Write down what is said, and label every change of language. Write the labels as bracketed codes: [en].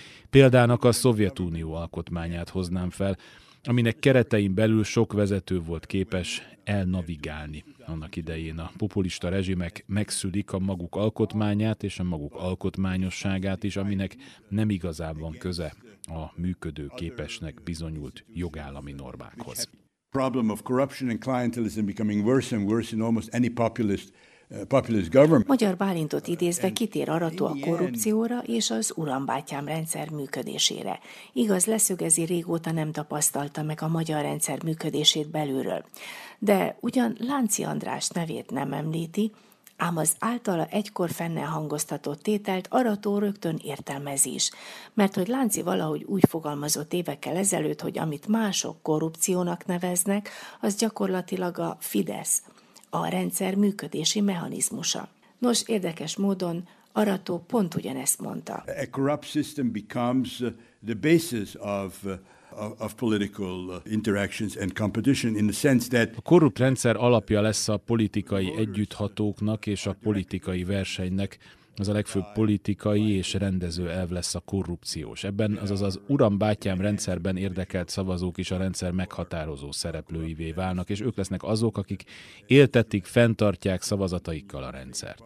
[hu] Példának a Szovjetunió alkotmányát hoznám fel, aminek keretein belül sok vezető volt képes elnavigálni. Annak idején a populista rezsimek megszülik a maguk alkotmányát és a maguk alkotmányosságát is, aminek nem igazán van köze a működő képesnek bizonyult jogállami normákhoz. [en] Problem of corruption and clientelism becoming worse and worse in almost any populist [hu] Magyar Bálintot idézve kitér Arató a korrupcióra és az urambátyám rendszer működésére. Igaz, leszögezi, régóta nem tapasztalta meg a magyar rendszer működését belülről. De ugyan Lánci András nevét nem említi, ám az általa egykor fennel hangoztatott tételt Arató rögtön értelmezi is. Mert hogy Lánci valahogy úgy fogalmazott évekkel ezelőtt, hogy amit mások korrupciónak neveznek, az gyakorlatilag a Fidesz, a rendszer működési mechanizmusa. Nos, érdekes módon Arató pont ugyanezt mondta. [en] A corrupt system becomes the basis of political interactions and competition in the sense that [hu] a korrupt rendszer alapja lesz a politikai együtthatóknak és a politikai versenynek. Az a legfőbb politikai és rendező elv lesz a korrupciós. Ebben, azaz az uram-bátyám rendszerben érdekelt szavazók is a rendszer meghatározó szereplőivé válnak, és ők lesznek azok, akik éltetik, fenntartják szavazataikkal a rendszert.